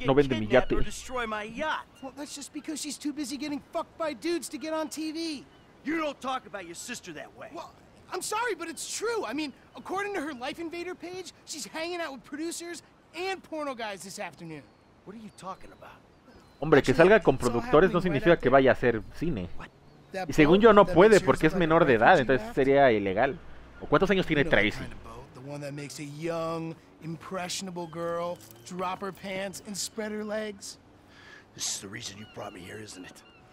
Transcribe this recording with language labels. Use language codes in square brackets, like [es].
[es] y no vende mi yate. [en] Destroy my yacht. Well, that's just because she's too busy getting fucked by dudes to get on TV. You don't talk about your sister that way. Well, I'm sorry, but it's true. I mean, according to her Life Invader page, she's hanging out with producers and porno guys this afternoon. What are you talking about? [es] Hombre, que salga con productores no significa que vaya a hacer cine. Y según yo no puede porque es menor de edad, entonces sería ilegal. ¿O cuántos años tiene Tracy? [en] The one that makes a young, impressionable girl drop her pants and spread her legs. This is the reason you brought me here, isn't it?